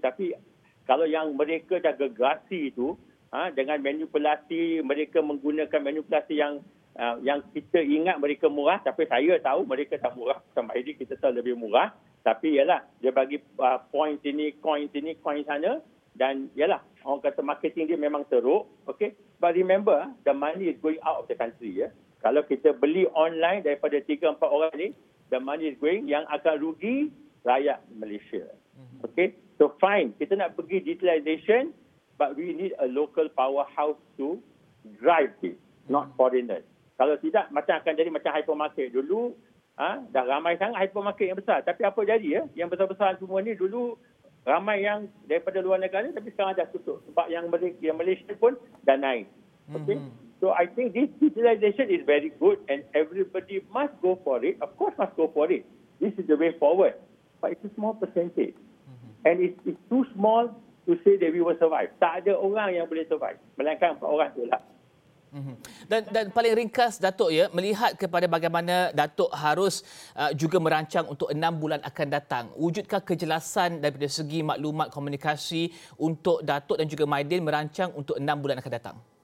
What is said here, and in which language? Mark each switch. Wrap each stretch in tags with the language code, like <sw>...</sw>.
<ms>Tapi kalau yang mereka dah gegasi tu, dengan manipulasi, mereka menggunakan manipulasi yang yang kita ingat mereka murah, tapi saya tahu mereka tak murah. Sama ini kita tahu lebih murah. Tapi ialah dia bagi poin sini, coin sini, coin sana. Dan ialah orang kata marketing dia memang teruk. Okay?</ms> <en>But remember, the money is going out of the country.</en> <ms>Ya? Kalau kita beli online daripada 3-4 orang ni,</ms> <en>the money is going,</en> <ms>yang akan rugi rakyat Malaysia. Okay?</ms> <en>So fine,</en> <ms>kita nak pergi</ms> <en>digitalization, but we need a local powerhouse to drive this, not foreigners.</en> <ms>Kalau tidak, macam akan jadi macam hypermarket dulu. Dah ramai sangat hypermarket yang besar. Tapi apa jadi ya? Yang besar-besar semua ni dulu ramai yang daripada luar negara, tapi sekarang dah tutup. Sebab yang Malaysia pun dah naik. Okay?</ms> <en>So I think this digitalization is very good and everybody must go for it. Of course must go for it. This is the way forward. But it's a small percentage. And it's too small to say that we will survive.</en> <ms>Tak ada orang yang boleh survive. Melainkan 4 orang tu lah. Dan paling ringkas Datuk ya, melihat kepada bagaimana Datuk harus juga merancang untuk 6 bulan akan datang, wujudkah kejelasan daripada segi maklumat komunikasi untuk Datuk dan juga MyDin merancang untuk 6 bulan akan datang?</ms>